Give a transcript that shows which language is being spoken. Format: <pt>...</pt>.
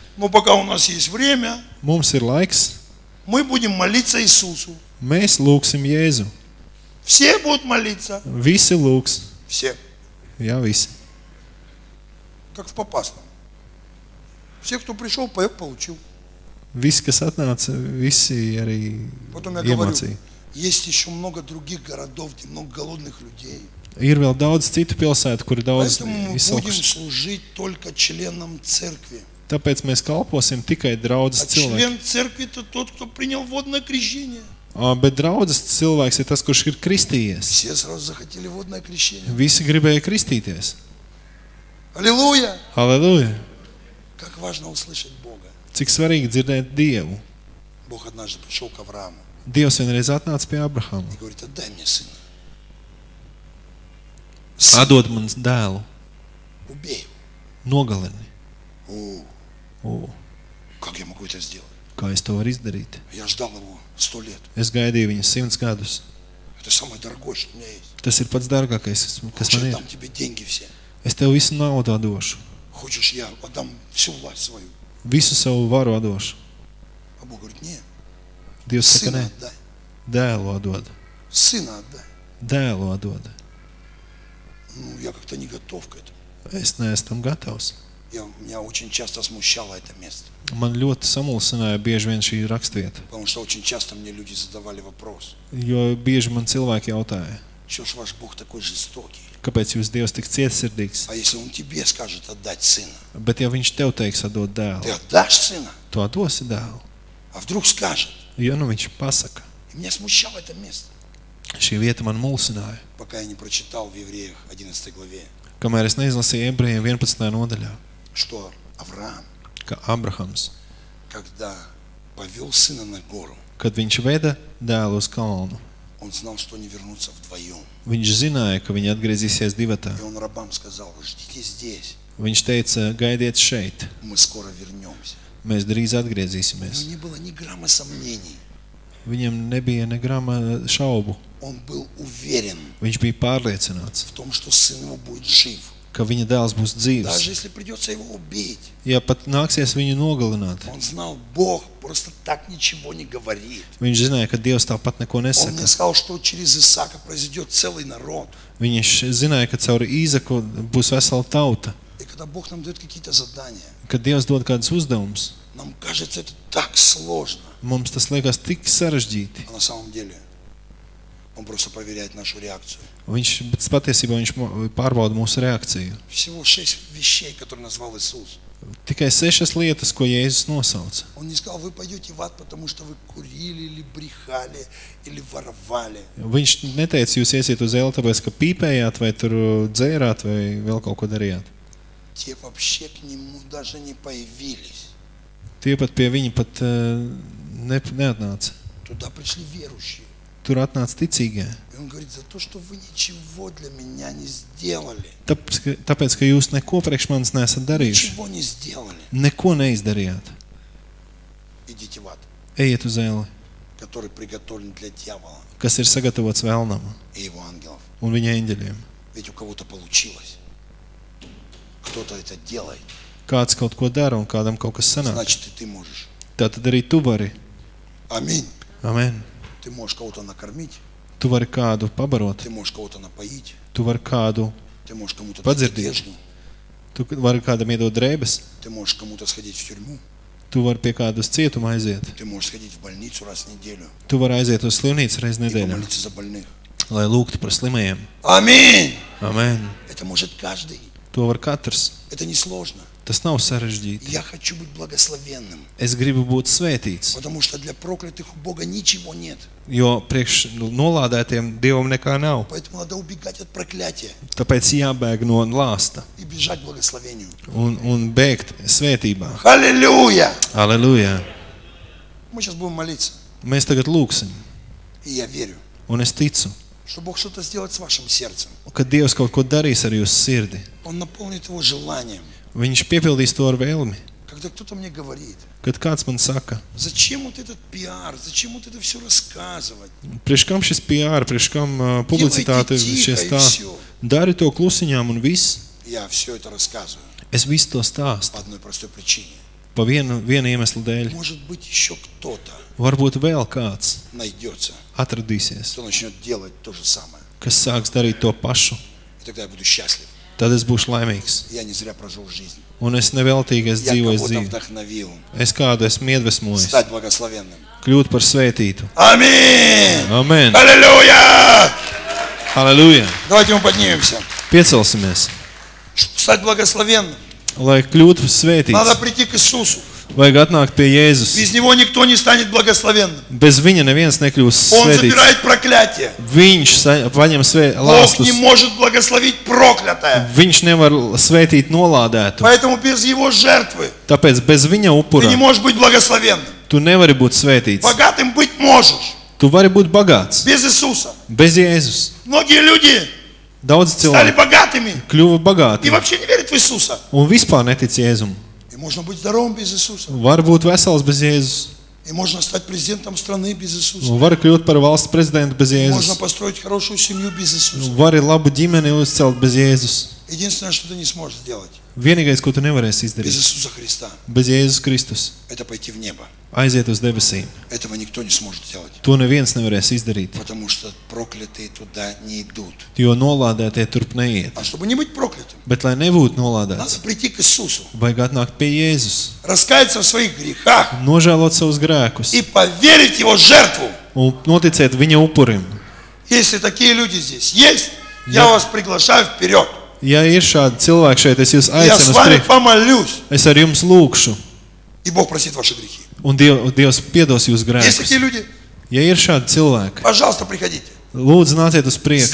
<ru>Но пока у нас есть время.</ru> <lv>Mums ir laiks.</lv> <ru>Мы будем молиться Иисусу.</ru> <lv>Mēs lūksim Jēzu.</lv> <ru>Все будут молиться.</ru> <lv>Visi lūks.</lv> <ru>Все.</ru> <lv>Jā, visi.</lv> <ru>как в попасном. Все, кто пришел, поег получил.</ru> <lv>Visi, kas atnāca, visi arī iemācīja.</lv> <ru>Есть еще много других городов, где много голодных людей.</ru> <lv>Ir vēl daudz citu pilsētu, kur ir daudz izsalkuši. Tāpēc mēs kalposim tikai draudzes cilvēki.</lv> <ru>Член церкви это тот, кто принял водное крещение.</ru> <lv>Bet draudzes cilvēks ir tas, kurš ir kristījies.</lv> <ru>Все сразу захотели водное крещение.</ru> <lv>Visi gribēja kristīties.</lv> <ru>Аллилуйя! Аллилуйя! Как важно услышать Бога.</ru> <lv>Cik svarīgi dzirdēt Dievu.</lv> <ru>Бог однажды пришел к Аврааму.</ru> <lv>Dievs vienreiz atnāca pie Abrahama.</lv> <ru>И говорит, отдай мне сына.</ru> <lv>Atdod man dēlu.</lv> <ru>Убей.</ru> <lv>Nogalini.</lv> <ru>Как я могу это сделать?</ru> <lv>Kā es to varu izdarīt?</lv> <ru>Я ждал его 100 лет.</ru> <lv>Es gaidīju viņu 100 gadus.</lv> <ru>Это самое дорогое, что у меня есть.</ru> <lv>Tas ir pats dārgākais, kas man ir.</lv> <ru>Хочешь, я дам тебе деньги все.</ru> <lv>Es tev visu naudu atdošu.</lv> <ru>Хочешь, я отдам всю власть свою.</ru> <lv>Visu savu varu atdošu.</lv> <ru>А Бог говорит, нет.</ru> <lv>Dievs saka, nē. Dēlu atdod.</lv> <ru>Сына отдай.</ru> <lv>Dēlu atdod.</lv> <ru>Ну, я как-то не готов к этому.</ru> <lv>Es neesmu tam gatavs.</lv> <ru>Я меня очень часто смущало это место.</ru> <lv>Man ļoti samulsināja bieži vien šī rakstvieta.</lv> <ru>Потому что очень часто мне люди задавали вопрос.</ru> <lv>Jo bieži man cilvēki jautāja.</lv> <ru>Что ж ваш Бог такой жестокий?</ru> <lv>Kāpēc jūs Dievs tik cietsirdīgs?</lv> <ru>А если он тебе скажет отдать сына?</ru> <lv>Bet ja viņš tev teiks atdot dēlu.</lv> <ru>Ты отдашь сына?</ru> <lv>Tu atdosi dēlu.</lv> <ru>А вдруг скажет?</ru> <lv>Jo, nu, viņš pasaka.</lv> <ru>И меня смущало это место.</ru> <lv>Šī vieta man mulsināja.</lv> <ru>Пока я не прочитал в Евреях 11 главе.</ru> <lv>Kamēr es neizlasīju Ebrejiem 11. Nodaļā.</lv> <ru>Что Авраам?</ru> <lv>Ka Abrahams.</lv> <ru>Когда повёл сына на гору.</ru> <lv>Kad viņš veda dēlu uz kalnu.</lv> <ru>Он знал, что они вернутся вдвоём.</ru> <lv>Viņš zināja, ka viņi atgriezīsies divatā.</lv> <ru>И он рабам сказал: "Ждите здесь".</ru> <lv>Viņš teica: "Gaidiet šeit".</lv> <ru>Мы скоро вернёмся.</ru> <lv>Mēs drīz atgriezīsimies.</lv> <ru>Не было ни грамма сомнений.</ru> <lv>Viņam nebija ne grama šaubu.</lv> <ru>Он был уверен.</ru> <lv>Viņš bija pārliecināts.</lv> <ru>В том, что сын его будет жив.</ru> <lv>Ka viņa dēls būs dzīvs.</lv> <ru>Даже если придётся его убить.</ru> <lv>Ja pat nāksies viņu nogalināt.</lv> <ru>Он знал, Бог просто так ничего не говорит.</ru> <lv>Viņš zināja, ka Dievs tāpat neko nesaka.</lv> <ru>Он не сказал, что через Исаака произойдёт целый народ.</ru> <lv>Viņš zināja, ka caur Īzaku būs vesela tauta.</lv> <ru>И когда Бог нам даёт какие-то задания.</ru> <lv>Kad Dievs dod kādas uzdevumus.</lv> <ru>Нам кажется это так сложно.</ru> <lv>Mums tas liekas tik sarežģīti.</lv> <ru>А на самом деле он просто проверяет нашу реакцию.</ru> <lv>Viņš patiesībā viņš pārbauda mūsu reakciju.</lv> <ru>Всего шесть вещей, которые назвал Иисус.</ru> <lv>Tikai sešas lietas, ko Jēzus nosauca.</lv> <ru>Он не сказал, вы пойдете в ад, потому что вы курили или брехали или воровали.</ru> <lv>Viņš neteica, jūs iesiet uz eli, tāpēc, ka pīpējāt vai tur dzērāt vai vēl kaut ko darījāt.</lv> <ru>Те вообще к нему даже не появились.</ru> <lv>Tie pat pie viņa pat neatnāca.</lv> <ru>Туда пришли верующие.</ru> <lv>Tur atnāca ticīgie.</lv> <ru>И он говорит, за то, что вы ничего для меня не сделали.</ru> <lv>Tāpēc, ka jūs neko priekš manis neesat darījuši.</lv> <ru>Ничего не сделали.</ru> <lv>Neko neizdarījāt.</lv> <ru>Идите в ад.</ru> <lv>Ejiet uz eli.</lv> <ru>Который приготовлен для дьявола.</ru> <lv>Kas ir sagatavots velnam.</lv> <ru>И его ангелов.</ru> <lv>Un viņa eņģeļiem.</lv> <ru>Ведь у кого-то получилось. Кто-то это делает.</ru> <lv>Kāds kaut ko dara un kādam kaut kas sanāk.</lv> <ru>Значит, и ты можешь.</ru> <lv>Tātad arī tu vari.</lv> <ru>Аминь. Амен. Ты можешь кого-то накормить?</ru> <lv>Tu vari kādu pabarot?</lv> <ru>Ты можешь кого-то напоить?</ru> <lv>Tu vari kādu?</lv> <ru>Ты можешь кому-то подзирдить?</ru> <lv>Tu vari kādam iedot drēbes?</lv> <ru>Ты можешь кому-то сходить в тюрьму?</ru> <lv>Tu vari pie kādu uz cietumu aiziet?</lv> <ru>Ты можешь сходить в больницу раз в неделю?</ru> <lv>Tu vari aiziet uz slimnīcu reiz nedēļā?</lv> <ru>И помолиться за больных.</ru> <lv>Lai lūgtu par slimajiem.</lv> <ru>Аминь. Амен. Это может каждый.</ru> <lv>Tu vari katrs.</lv> <ru>Это не сложно.</ru> <lv>Tas nav sarežģīti.</lv> <ru>Я хочу быть благословенным.</ru> <lv>Es gribu būt svētīts.</lv> <ru>Потому что для проклятых у Бога ничего нет.</ru> <lv>Jo priekš nolādētiem Dievam nekā nav.</lv> <ru>Поэтому надо убегать от проклятия.</ru> <lv>Tāpēc jābēg no lāsta.</lv> <ru>И бежать благословению.</ru> <lv>Un bēgt svētībā. Halleluja! Halleluja!</lv> <ru>Мы сейчас будем молиться.</ru> <lv>Mēs tagad lūksim.</lv> <ru>И я верю.</ru> <lv>Un es ticu.</lv> <ru>Что Бог что-то сделает с вашим сердцем.</ru> <lv>Kad Dievs kaut ko darīs ar jūsu sirdi.</lv> <ru>Он наполнит его желанием.</ru> <lv>Viņš piepildīs to ar vēlmi.</lv> <ru>Когда кто-то мне говорит.</ru> <lv>Kad kāds man saka.</lv> <ru>Зачем вот этот пиар? Зачем вот это всё рассказывать?</ru> <lv>Prieš kam šis PR, prieš kam publicitāte šie stāsti? Dari to klusiņām un viss.</lv> <ru>Я всё это рассказываю.</ru> <lv>Es visu to stāstu.</lv> <ru>По одной простой причине.</ru> <lv>Pa viena iemesla dēļ.</lv> <ru>Может быть ещё кто-то.</ru> <lv>Varbūt vēl kāds.</lv> <ru>Найдётся.</ru> <lv>Atradīsies.</lv> <ru>Кто начнёт делать то же самое.</ru> <lv>Kas sāks darīt to pašu.</lv> <ru>И тогда я буду счастлив.</ru> <lv>tad es būšu laimīgs. Un es neveltīgi es dzīvoju dzīvi. Es kādu esmu iedvesmojis. Kļūt par svētītu. Amen! Halleluja! Halleluja! Piecelsimies.</lv> <ru>Stāt blagoslovenam.</ru> <lv>Lai kļūtu svētīts. Vajag atnākt pie Jēzus.</lv> <ru>Без него никто не станет благословенным.</ru> <lv>Bez viņa neviens nekļūs svētīts.</lv> <ru>Он забирает проклятие.</ru> <lv>Viņš paņem lāstus.</lv> <ru>Бог не может благословить проклятое.</ru> <lv>Viņš nevar svētīt nolādētu.</lv> <ru>Поэтому без его жертвы.</ru> <lv>Tāpēc bez viņa upura.</lv> <ru>Ты не можешь быть благословенным.</ru> <lv>Tu nevari būt svētīts.</lv> <ru>Богатым быть можешь.</ru> <lv>Tu vari būt bagāts.</lv> <ru>Без Иисуса.</ru> <lv>Bez Jēzus.</lv> <ru>Многие люди</ru> <lv>Daudz</lv> <ru>стали богатыми.</ru> <lv>Кļuva bagāti.</lv> <ru>И вообще не верят в Иисуса.</ru> <lv>Un vispār netic Jēzum.</lv> <ru>Можно быть здоровым без Иисуса.</ru> <lv>Var būt vesels bez Jēzus.</lv> <ru>И можно стать президентом страны без Иисуса.</ru> <lv>Var kļūt par valsts prezidentu bez Jēzus.</lv> <ru>Можно построить хорошую семью без Иисуса.</ru> <lv>Var labu ģimeni uzcelt bez Jēzus.</lv> <ru>Единственное, что ты не сможешь сделать.</ru> <lv>Vienīgais, ko tu nevarēsi izdarīt.</lv> <ru>Без Иисуса Христа.</ru> <lv>Bez Jēzus Kristus.</lv> <ru>Это пойти в небо.</ru> <lv>Aiziet uz debesīm.</lv> <ru>Этого никто не сможет сделать.</ru> <lv>To neviens nevarēs izdarīt.</lv> <ru>Потому что проклятые туда не идут.</ru> <lv>Jo nolādētie turp neiet.</lv> <ru>А чтобы не быть проклятым.</ru> <lv>Bet lai nebūtu nolādēts.</lv> <ru>Надо прийти к Иисусу.</ru> <lv>Vajag atnākt pie Jēzus.</lv> <ru>Раскаяться в своих грехах.</ru> <lv>Nožēlot savus grēkus.</lv> <ru>И поверить его жертву.</ru> <lv>Un noticēt viņa upurim.</lv> <ru>Если такие люди здесь есть, я вас приглашаю вперёд.</ru> <lv>Ja ir šādi cilvēki šeit, es jūs aicinu spriekš. Es ar jums lūkšu.</lv> <ru>И Бог просит ваши грехи.</ru> <lv>Un Dievs piedos jūs grēkus.</lv> <ru>Если такие люди,</ru> <lv>ja ir šādi cilvēki,</lv> <ru>пожалуйста, приходите.</ru> <lv>Lūdzu, nāciet uz priekšu.</lv>